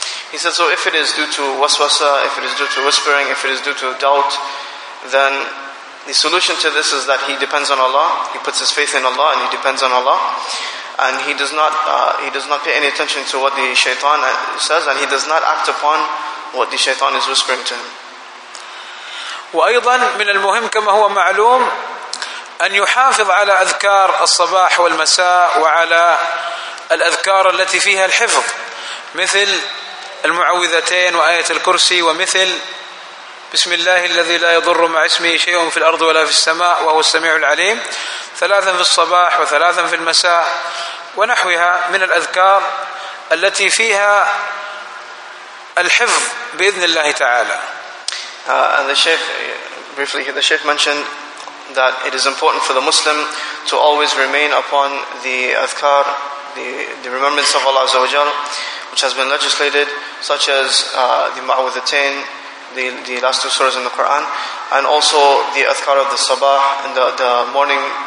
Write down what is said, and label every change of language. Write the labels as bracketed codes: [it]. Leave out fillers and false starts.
[en] He said, so if it is due to waswasa, if it is due to whispering, if it is due to doubt, then the solution to this is that he depends on Allah. He puts his faith in Allah, and he depends on Allah, and he does not pay any attention to what the shaitan says, and he does not act upon what the shaitan is whispering to him. [ar] وأيضا من المهم كما هو معلوم أن يحافظ على أذكار الصباح والمساء وعلى الأذكار التي فيها الحفظ مثل المعوذتين وآية الكرسي ومثل بسم الله الذي لا يضر مع اسمه شيء في الأرض ولا في السماء وهو السميع العليم ثلاثا في الصباح وثلاثا في المساء ونحوها من الأذكار التي فيها الحفظ بإذن الله تعالى [en] And the Sheikh briefly the Sheikh mentioned that it is important for the Muslim to always remain upon the أذكار the remembrance of Allah [ar] عز وجل [en] which has been legislated such as the معوذتين the last two surahs in the Quran and also the adhkar of the sabah and the morning